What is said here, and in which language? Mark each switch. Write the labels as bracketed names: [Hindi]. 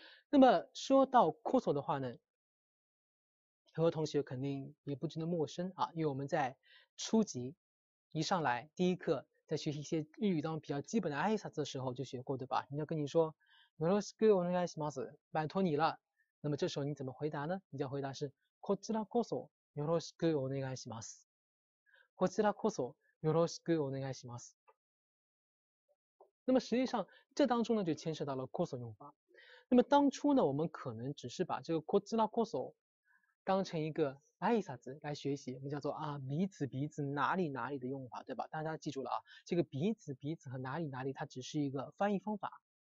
[Chinese] 那么说到こそ的话呢，很多同学肯定也不觉得陌生啊，因为我们在初级一上来第一课在学习一些日语当中比较基本的挨拶的时候就学过，对吧？人家跟你说 [Japanese] よろしくお願いします， [Chinese] 拜托你了，那么这时候你怎么回答呢？你要回答是 [Japanese] こちらこそよろしくお願いします，こちらこそよろしくお願いします。 [Chinese] 那么实际上这当中呢就牵涉到了こそ用法。那么当初呢我们可能只是把这个こちらこそ当成一个挨拶来学习，我们叫做啊彼此彼此哪里哪里的用法，对吧？大家记住了啊，这个彼此彼此和哪里哪里它只是一个翻译方法。